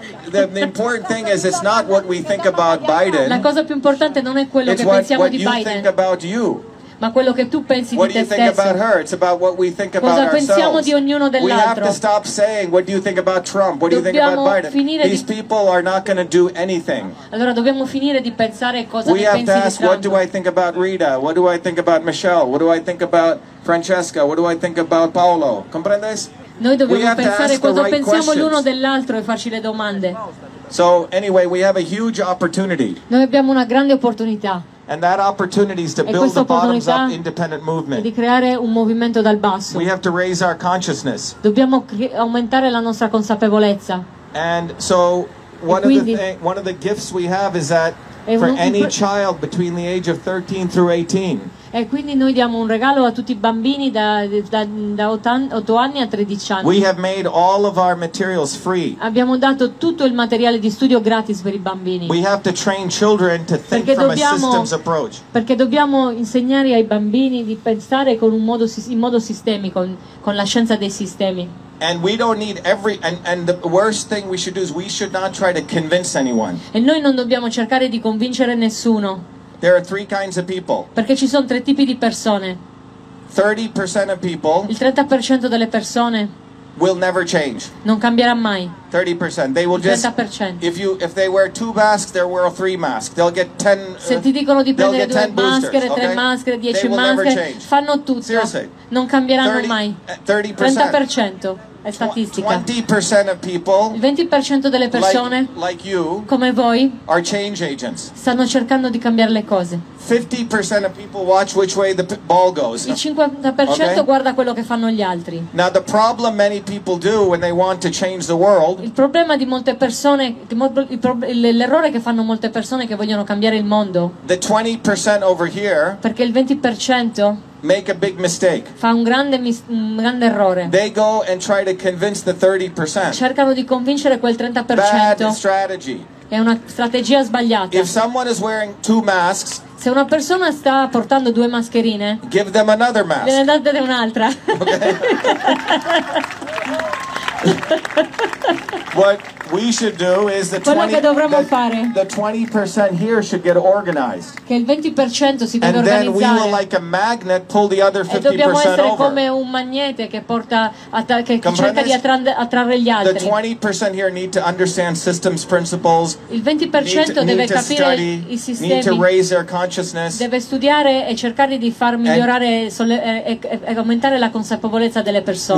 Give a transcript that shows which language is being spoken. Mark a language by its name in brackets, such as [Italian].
[English] The important thing is it's not what we think about Biden. [Italian] La cosa più importante non è quello che pensiamo di Biden. [English] It's what you think about you. [Italian] Ma quello che tu pensi di te stesso. [English] What do you think about her? It's about what we think about ourselves. [Italian] Cosa pensiamo di ognuno dell'altro? [English] We have to stop saying what do you think about Trump? What do you think about Biden? These people are not going to do anything. [Italian] Allora dobbiamo finire di pensare cosa pensi di Trump. [English] We have to ask what do I think about Rita? What do I think about Michelle? What do I think about Francesca? What do I think about Paolo? Comprendes? [Italian] Noi dobbiamo pensare cosa pensiamo l'uno dell'altro e farci le domande. [English] So anyway, we have a huge opportunity. [Italian] Noi abbiamo una grande opportunità. [English] And that opportunity is to build the bottoms up independent movement. [Italian] Di creare un movimento dal basso. [English] We have to raise our consciousness. [Italian] Dobbiamo aumentare la nostra consapevolezza. [English] And so one of the gifts we have is that for any child between the age of 13 through 18. [Italian] E quindi noi diamo un regalo a tutti i bambini da 8 anni a 13 anni. [English] We have made all of our materials free. [Italian] Abbiamo dato tutto il materiale di studio gratis per i bambini. [English] We have to train children to think from a systems approach. [Italian] Perché dobbiamo insegnare ai bambini di pensare in modo sistemico, con la scienza dei sistemi. [English] And we don't need and the worst thing we should do is we should not try to convince anyone. [Italian] E noi non dobbiamo cercare di convincere nessuno. [English] There are three kinds of people. [Italian] Perché ci sono tre tipi di persone. [English] 30% of people. [Italian] Il 30% delle persone. [English] Will never change. [Italian] Non cambierà mai. [English] 30%. They will just. [Italian] 30%. [English] If they wear two masks, they wear three masks. They'll get 10. [Italian] Se ti dicono di prendere due maschere, tre maschere, 10 maschere, fanno tutto. [English] Seriously. [Italian] Non cambieranno mai. [English] 30%. 20% of people, [Italian] il 20% delle persone, [English] like you, [Italian] come voi, [English] are change agents. [Italian] Stanno cercando di cambiare le cose. [English] 50% of people watch which way the ball goes. [Italian] Il 50% guarda quello che fanno gli altri. [English] Now the problem many people do when they want to change the world. [Italian] Il problema di molte persone, l'errore che fanno molte persone che vogliono cambiare il mondo. [English] The 20% over here. [Italian] Perché il 20%. [English] Make a big mistake. [Italian] Fa un grande errore. [English] They go and try to convince the 30%. [Italian] Cercano di convincere quel 30%. [English] Bad strategy. [Italian] È una strategia sbagliata. [English] If someone is wearing two masks, [Italian] se una persona sta portando due mascherine, [English] give them another mask. [Italian] Gliene date un'altra. [English] Okay. What we should do is the 20% here should get organized. [Italian] Che il 20% si deve organizzare. [English] And then we will, like a magnet, pull the other 50% over. [Italian] E dobbiamo essere come un magnete che cerca di attrarre gli altri. [English] The 20% here need to understand systems principles. [Italian] Il 20% deve capire i sistemi. [English] Need to raise their consciousness. [Italian] Deve studiare e cercare di far migliorare e aumentare la consapevolezza delle persone.